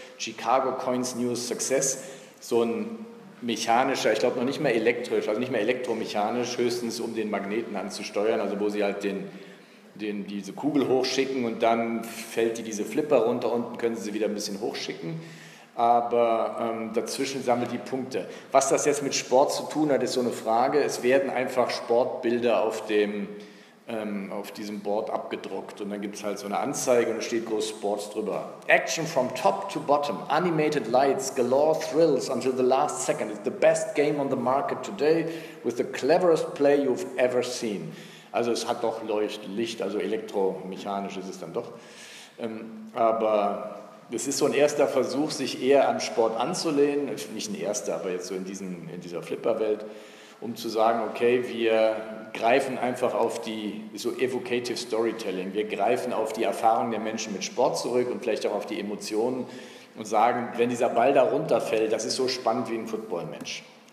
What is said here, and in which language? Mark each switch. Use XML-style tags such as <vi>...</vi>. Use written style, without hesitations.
<de>Chicago Coins News Success, so ein mechanischer, ich glaube noch nicht mehr elektrisch, also nicht mehr elektromechanisch, höchstens um den Magneten anzusteuern, also wo sie halt diese Kugel hochschicken und dann fällt die diese Flipper runter, unten können sie wieder ein bisschen hochschicken, aber dazwischen sammelt die Punkte. Was das jetzt mit Sport zu tun hat, ist so eine Frage. Es werden einfach Sportbilder auf diesem Board abgedruckt und dann gibt es halt so eine Anzeige und da steht groß Sports drüber.</de> <en>Action from top to bottom, animated lights, galore thrills until the last second. It's the best game on the market today with the cleverest play you've ever seen.</en> <de>Also es hat doch Licht, also elektromechanisch ist es dann doch. Aber es ist so ein erster Versuch, sich eher am Sport anzulehnen, nicht ein erster, aber jetzt so in dieser Flipper-Welt, um zu sagen, okay, wir greifen einfach auf die, so evocative Storytelling, wir greifen auf die Erfahrung der Menschen mit Sport zurück und vielleicht auch auf die Emotionen und sagen, wenn dieser Ball da runterfällt, das ist so spannend wie ein Football-Match.</de>